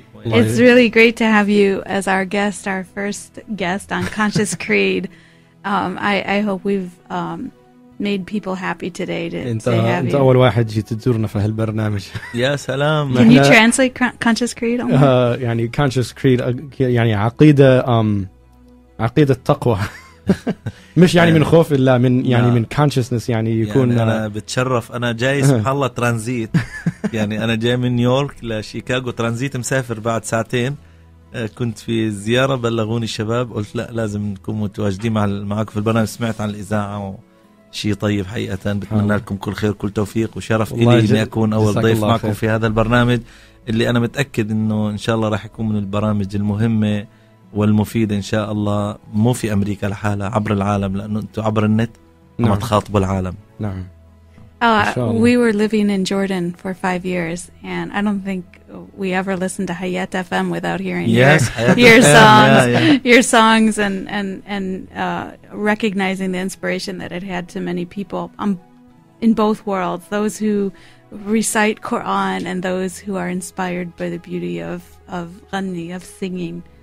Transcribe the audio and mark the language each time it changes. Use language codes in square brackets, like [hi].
[en] It's really great to have you as our guest, our first guest on Conscious Creed. I hope we've made people happy today to have you. [ar] أول واحد جيت تزورنا في هالبرنامج. يا سلام. [en] Can you translate Conscious Creed? [ar] يعني Conscious Creed يعني عقيدة عقيدة التقوى. مش يعني من خوف الله من يعني من consciousness يعني يكون يعني أنا بتشرف. أنا جاي سبحان الله ترانزيت. يعني أنا جاي من نيويورك لشيكاغو ترانزيت مسافر بعد ساعتين. كنت في زيارة بلغوني الشباب قلت لا لازم نكون متواجدين معك في البرنامج. سمعت عن الإذاعة شيء طيب حقيقة. بتمنى لكم كل خير كل توفيق وشرف إلي إني أكون أول ضيف معكم في هذا البرنامج اللي أنا متأكد إنه إن شاء الله راح يكون من البرامج المهمة والمفيدة إن شاء الله، مو في أمريكا لحالة، عبر العالم، لأنه أنتوا عبر النت عم تخاطبوا العالم. نعم. [en] We were living in Jordan for 5 years and I don't think we ever listened to Hayat FM without hearing your songs, your songs and recognizing the inspiration that it had to many people in both worlds, those who recite Quran and those who are inspired by the beauty of غني, of singing.